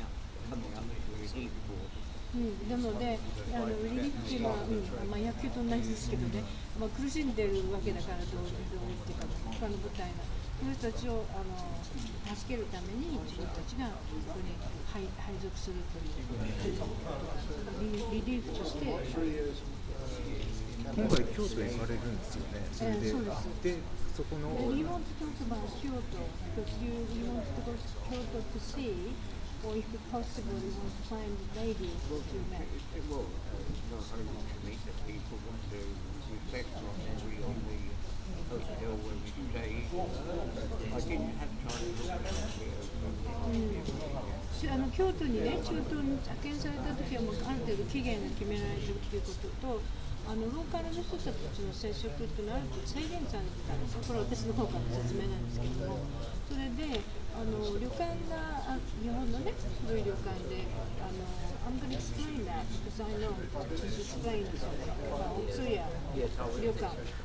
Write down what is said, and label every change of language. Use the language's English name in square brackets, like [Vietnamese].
[Japanese] なのであのリリーフというのは、うん、まあ、野球と同じですけどね、まあ、苦しんでるわけだからどうっていうか、他の部隊がこの人たちをあの助けるために自分たちがここに配属するというリリーフとして。今回京都に行かれるんですよね。それで、で、そこの。 [English] We want to talk about Kyoto because you want to go to Kyoto to see, or if possible, you want to find the lady to meet. Well, I want to meet the people want to reflect on every on the hotel where we stay. I didn't have time to look at it. [Japanese] あの京都にね、中東に派遣された時はもうある程度期限が決められてるということと、あのローカルの人たちの接触っていうのはある程度制限されてたんですよ。これは私の方からの説明なんですけども、それであの旅館が日本のね古い旅館で、あの [English] I'm going to explain that because I know to explain this [Japanese] お通夜旅館